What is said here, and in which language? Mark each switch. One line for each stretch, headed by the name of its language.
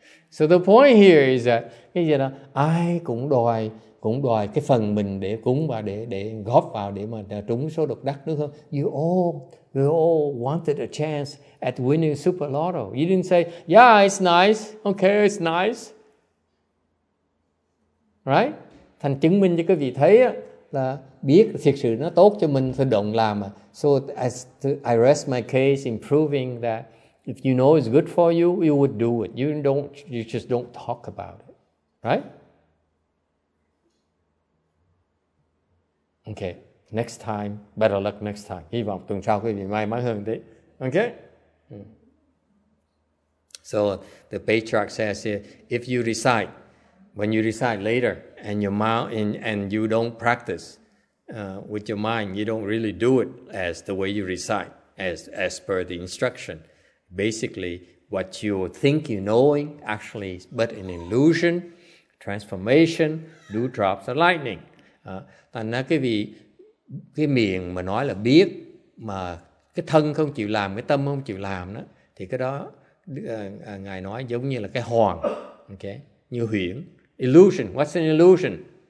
English: So the point here is that,
Vietnamese: cái gì đó, ai cũng đòi... cũng đòi cái phần mình để cúng và để góp vào để mà trúng số độc đắc, đúng không?
English: You all wanted a chance at winning super lotto. You didn't say, yeah, it's nice. Okay, it's nice. Right?
Vietnamese: Thành chứng minh cho quý vị thấy là biết thiệt sự nó tốt cho mình thì động làm.
English: So as I rest my case in proving that if you know it's good for you, you would do it. You just don't talk about it. Right? Okay, next time, better luck next time.
Vietnamese: Hy vọng tuần sau quý vị may mắn hơn thế.
English: Okay? So, the patriarch says here, if you recite, when you recite later, and your mouth and you don't practice with your mind, you don't really do it as the way you recite, as per the instruction. Basically, what you think you're knowing, actually, but an illusion, transformation, dewdrops of lightning.
Vietnamese: Thành ra cái vị cái miệng mà nói là biết mà cái thân không chịu làm, cái tâm không chịu làm đó, thì cái đó ngài nói giống như là cái hoàng, okay, như huyễn, illusion.
English: What's an illusion?